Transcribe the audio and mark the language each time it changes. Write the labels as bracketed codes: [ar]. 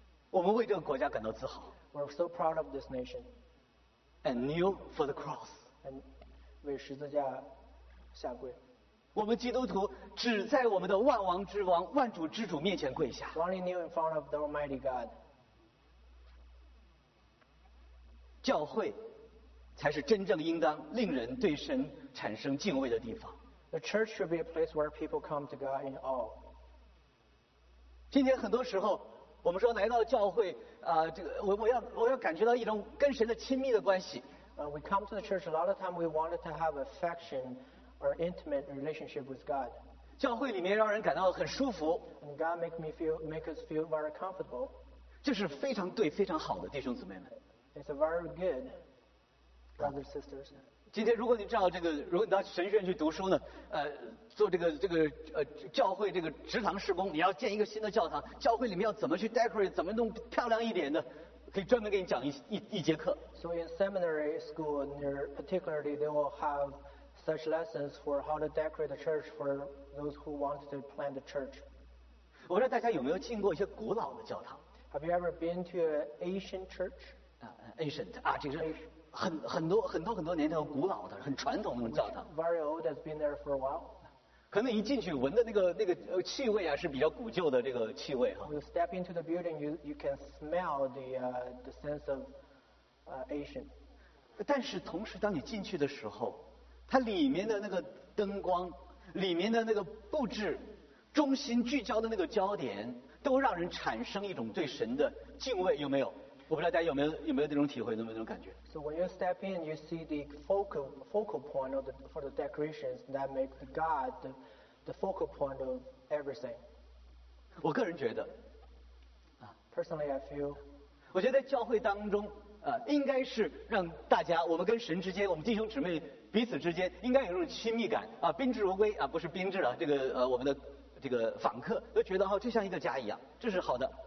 [zh] 我们为这个国家感到自豪。 [en] We're so proud of this nation. And kneel for the cross. [zh] And 为十字架下跪。我们基督徒只在我们的万王之王、万主之主面前跪下。 [en] Only kneel in front of the Almighty God. [zh] 教会。才是真正应当令人对神产生敬畏的地方。 [en] The church should be a place where people come to God in awe. [zh] 今天很多时候，我们说来到教会，这个我要感觉到一种跟神的亲密的关系。 [en] We come to the church a lot of time. We wanted to have affection or intimate relationship with God. [zh] 教会里面让人感到很舒服。 [en] And God make us feel very comfortable. [zh] 这是非常对、非常好的弟兄姊妹们。 [en] It's a very good. Brothers, sisters. [zh] 今天，如果你知道这个，如果你到神学院去读书呢，做这个教会这个职堂事工，你要建一个新的教堂，教会里面要怎么去 decorate， 怎么弄漂亮一点的，可以专门给你讲一节课。 [en] So in seminary school, particularly they will have such lessons for how to decorate the church for those who want to plant the church. [zh] 我不知道大家有没有进过一些古老的教堂 [en] ？Have you ever been to an ancient church? [zh] Ancient 啊，这是。很多年头古老的很传统的教堂 [en] very old has been there for a while [zh] 可能一进去闻的那个气味啊是比较古旧的这个气味哈 [en] you step into the building you can smell the sense of ancient [zh] 但是同时当你进去的时候它里面的那个灯光里面的那个布置中心聚焦的那个焦点都让人产生一种对神的敬畏有没有我不知道大家有没有那种体会，有没有那种感觉 [en] ？So when you step in, you see the focal point of for the decorations that make God the focal point of everything. [zh] 我个人觉得 [en] Personally, I feel [zh] 我觉得在教会当中啊，应该是让大家，我们跟神之间，我们弟兄姊妹彼此之间，应该有一种亲密感啊，宾至如归啊，不是宾至了，这个我们的这个访客都觉得哈，就像一个家一样，这是好的。